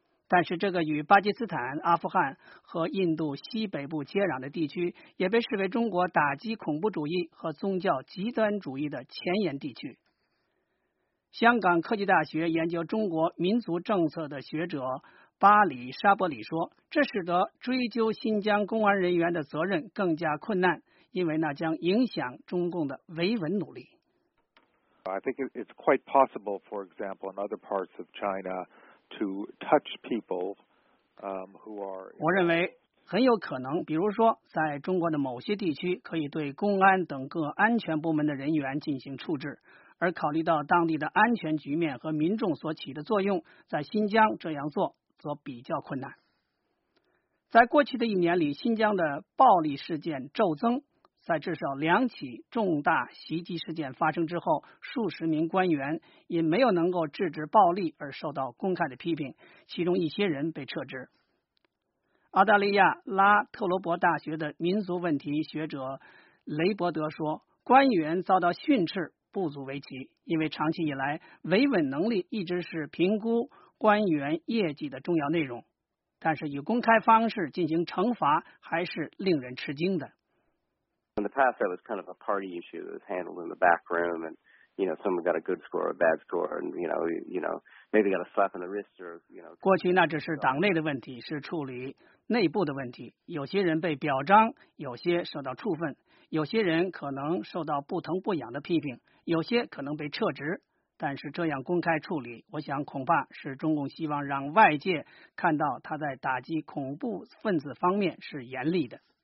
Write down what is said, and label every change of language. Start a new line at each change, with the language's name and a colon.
Chinese: 但是这个与巴基斯坦、阿富汗和印度西北部接壤的地区也被视为中国打击恐怖主义和宗教极端主义的前沿地区。香港科技大学研究中国民族政策的学者巴里·沙伯里说，这使得追究新疆公安人员的责任更加困难，因为那将影响中共的维稳努力。
English: I think it's quite possible, for example, in other parts of China,To touch people, who are.
Chinese: 我认为很有可能，比如说，在中国的某些地区，可以对公安等各安全部门的人员进行处置。而考虑到当地的安全局面和民众所起的作用，在新疆这样做则比较困难。在过去的一年里，新疆的暴力事件骤增。在至少2起重大袭击事件发生之后，数十名官员因没有能够制止暴力而受到公开的批评，其中一些人被撤职。澳大利亚拉特罗伯大学的民族问题学者雷伯德说，官员遭到训斥不足为奇，因为长期以来维稳能力一直是评估官员业绩的重要内容，但是以公开方式进行惩罚还是令人吃惊的。
English: In the past, that was kind of a party issue that was handled in the back room, and you know, someone got a good score or a bad score, and you know, maybe got a slap in the wrist or you know.
Chinese: 过去那只是党内的问题，是处理内部的问题。有些人被表彰，有些受到处分，有些人可能受到不疼不痒的批评，有些可能被撤职。但是这样公开处理，我想恐怕是中共希望让外界看到他在打击恐怖分子方面是严厉的。